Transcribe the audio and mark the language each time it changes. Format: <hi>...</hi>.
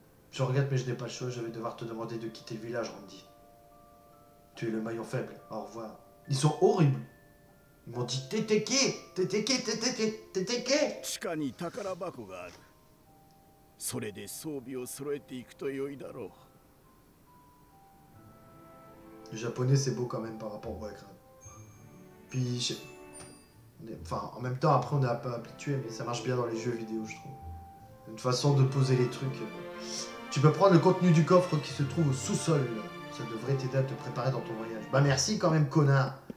<fr>Je regrette, mais je n'ai pas le choix. Je vais devoir te demander de quitter le village, Randy. Tu es le maillon faible. Au revoir. Ils sont horribles.</fr> <ja>もちててけ、ててけ、ててけ、ててけ。地下に宝箱がある。それで装備を揃えていくと良いだろう。</ja> <fr>Le japonais c'est beau quand même par rapport au écran. Puis, je... enfin, en même temps, après on est un peu habitué, mais ça marche bien dans les jeux vidéo, je trouve. Une façon de poser les trucs. Tu peux prendre le contenu du coffre qui se trouve au sous-sol. Ça devrait t'aider à te préparer dans ton voyage. Bah merci quand même, connard.</fr>